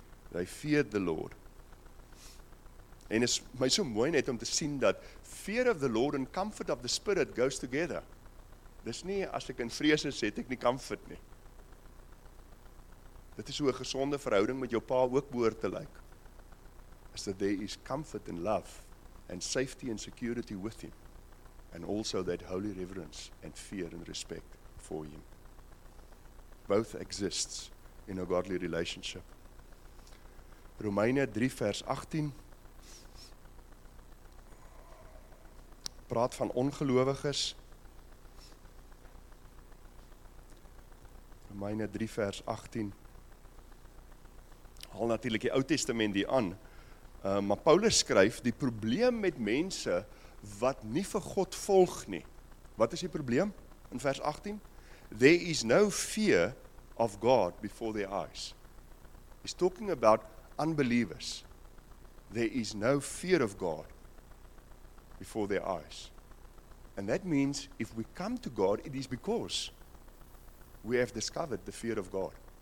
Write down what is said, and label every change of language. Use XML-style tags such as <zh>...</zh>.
<en>They feared the Lord.</en> <af>En is my so mooi net om te sien dat</af> <en>fear of the Lord and comfort of the Spirit goes together.</en> <af>Dis nie, as ek in vrees is, het ek nie comfort nie. Dit is hoe 'n gesonde verhouding met jou pa ook behoort te lyk.</af> <en>As that there is comfort and love and safety and security with him. And also that holy reverence and fear and respect for him. Both exists in a godly relationship.</en> <af>Romeine 3 vers 18 praat van ongelowiges. Romeine 3 vers 18 haal natuurlik die Ou Testament hier aan, maar Paulus skryf die probleem met mense wat nie vir God volg nie. Wat is die probleem in vers 18?</af> <en>There is no fear of God before their eyes. He's talking about unbelievers. There is no fear of God before their eyes. And that means if we come to God, it is because we have discovered the fear of God.</en>